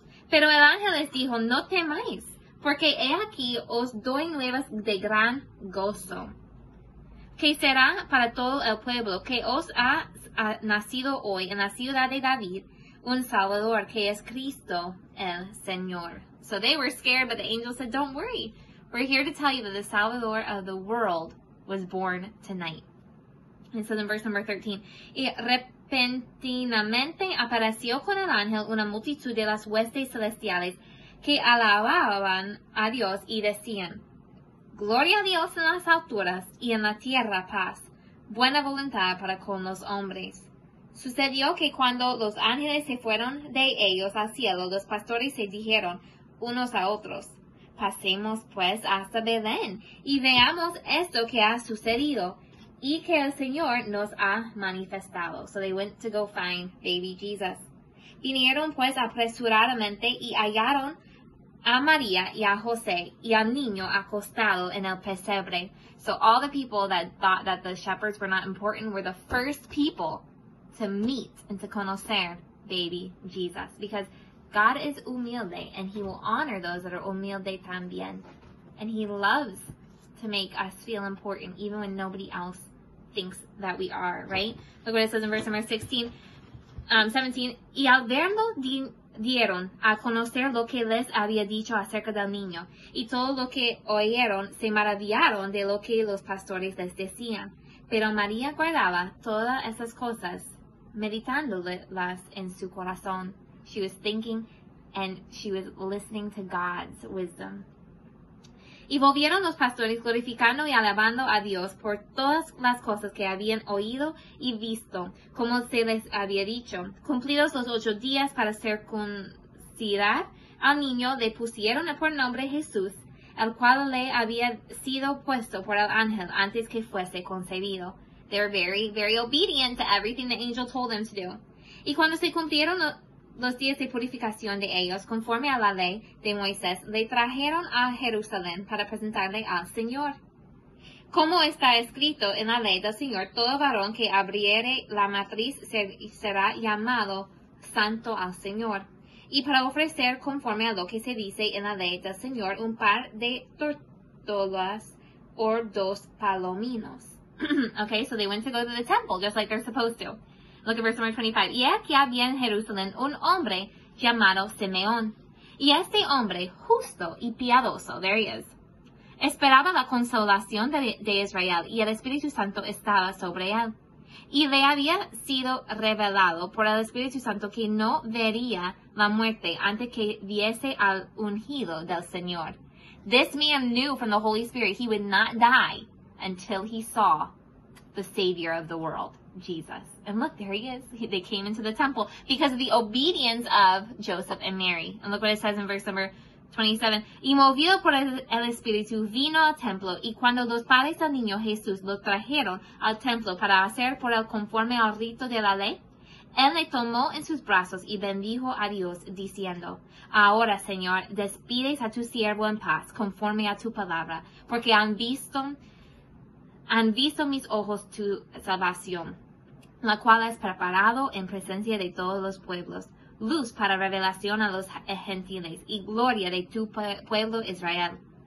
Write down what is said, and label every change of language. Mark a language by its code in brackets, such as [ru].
[es] Pero el ángel les dijo, no temáis, porque he aquí os doy nuevas de gran gozo, que será para todo el pueblo, que os ha nacido hoy en la ciudad de David un Salvador, que es Cristo el Señor. [en] So they were scared, but the angel said, don't worry. We're here to tell you that the Salvador of the world was born tonight. It says in verse number 13, [es] Y repentinamente apareció con el ángel una multitud de las huestes celestiales que alababan a Dios y decían, Gloria a Dios en las alturas y en la tierra paz, buena voluntad para con los hombres. Sucedió que cuando los ángeles se fueron de ellos al cielo, los pastores se dijeron unos a otros, Pasemos pues hasta Belén y veamos esto que ha sucedido y que el Señor nos ha manifestado. [en] So they went to go find baby Jesus. [es] Vinieron pues apresuradamente y hallaron a María y a José y al niño acostado en el pesebre. [en] So all the people that thought that the shepherds were not important were the first people to meet and to [es] conocer [en] baby Jesus. Because God is [es] humilde [en] and he will honor those that are humilde [es] también. [en] And he loves to make us feel important even when nobody else thinks that we are, right? Look what it says in verse number 17. [es] Y al verlo dieron a conocer lo que les había dicho acerca del niño. Y todo lo que oyeron se maravillaron de lo que los pastores les decían. Pero María guardaba todas esas cosas, meditándolas en su corazón. [en] She was thinking and she was listening to God's wisdom. [es] Y volvieron los pastores glorificando y alabando a Dios por todas las cosas que habían oído y visto, como se les había dicho. Cumplidos los 8 días para circuncidar al niño, le pusieron por nombre Jesús, el cual le había sido puesto por el ángel antes que fuese concebido. [en] They were very, very obedient to everything the angel told them to do. [es] Y cuando se cumplieron los días de purificación de ellos, conforme a la ley de Moisés, le trajeron a Jerusalén para presentarle al Señor. Como está escrito en la ley del Señor, todo varón que abriere la matriz será llamado santo al Señor. Y para ofrecer, conforme a lo que se dice en la ley del Señor, un par de tórtolas o dos palominos. [en] Okay, so they went to go to the temple, just like they're supposed to. Look at verse number 25. [es] Y aquí había en Jerusalén un hombre llamado Simeón. Y este hombre, justo y piadoso, [en] there he is, [es] esperaba la consolación de Israel, y el Espíritu Santo estaba sobre él. Y le había sido revelado por el Espíritu Santo que no vería la muerte antes que viese al ungido del Señor. [en] This man knew from the Holy Spirit he would not die until he saw the Savior of the world, Jesus. And look, there he is. They came into the temple because of the obedience of Joseph and Mary. And look what it says in verse number 27. [es] Y movido por el Espíritu vino al templo, y cuando los padres del niño Jesús lo trajeron al templo para hacer por él conforme al rito de la ley, él le tomó en sus brazos y bendijo a Dios diciendo, Ahora, Señor, despides a tu siervo en paz conforme a tu palabra, porque han visto mis ojos tu salvación, la cual has preparado en presencia de todos los pueblos, luz para revelación a los gentiles y gloria de tu pueblo Israel.